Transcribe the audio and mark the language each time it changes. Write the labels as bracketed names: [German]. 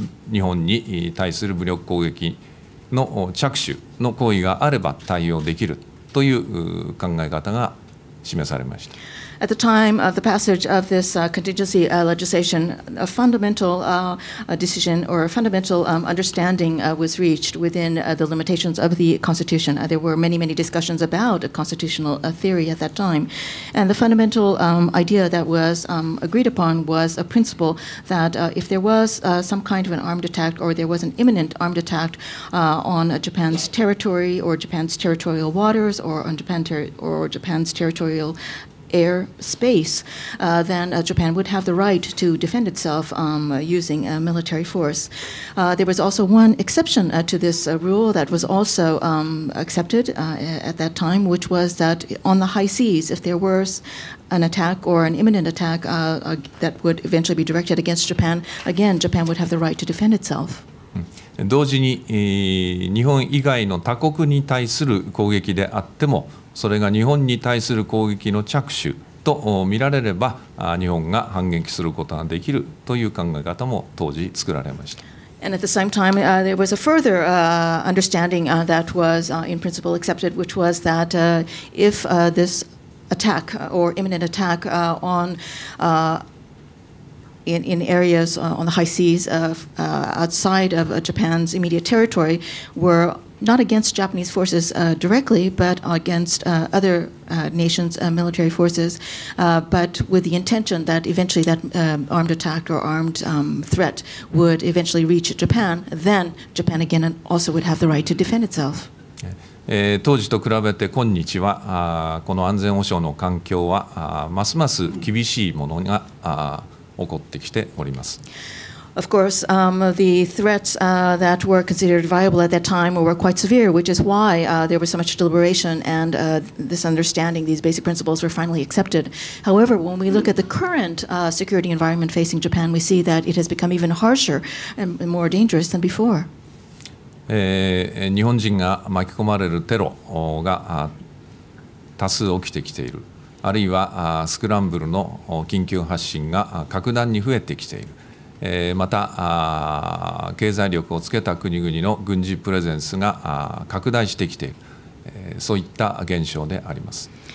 [Japanese] 日本に対する武力攻撃の着手の行為があれば対応できるという考え方が示されました。 [English] At the time of the passage of this contingency legislation, a fundamental decision or a fundamental understanding was reached within the limitations of the Constitution. There were many, many discussions about a constitutional theory at that time. And the fundamental idea that was agreed upon was a principle that if there was some kind of an armed attack or there was an imminent armed attack on Japan's territory or Japan's territorial waters or on Japan's territorial air space, then Japan would have the right to defend itself using military force. There was also one exception to this rule that was also accepted at that time, which was that on the high seas, if there was an attack or an imminent attack that would eventually be directed against Japan, again, Japan would have the right to defend itself. [Japanese] 同時に日本以外の他国に対する攻撃であっても、それが日本に対する攻撃の着手と見られれば、日本が反撃することができるという考え方も当時作られました。 [English] And at the same time, there was a further understanding that was in principle accepted, which was that if this attack or imminent attack on in areas on the high seas of, outside of Japan's immediate territory were not against Japanese forces directly, but against other nations' military forces, but with the intention that eventually that armed attack or armed threat would eventually reach Japan, then Japan again also would have the right to defend itself. [Japanese] 当時と比べて今日はこの安全保障の環境はますます厳しいものが起こってきております。 [English] Of course, the threats that were considered viable at that time were quite severe, which is why there was so much deliberation and this understanding, these basic principles were finally accepted. However, when we look at the current security environment facing Japan, we see that it has become even harsher and more dangerous than before. [Japanese] 日本人が巻き込まれるテロが多数起きてきている。あるいはスクランブルの緊急発進が格段に増えてきている。また経済力をつけた国々の軍事プレゼンスが拡大してきている、そういった現象であります。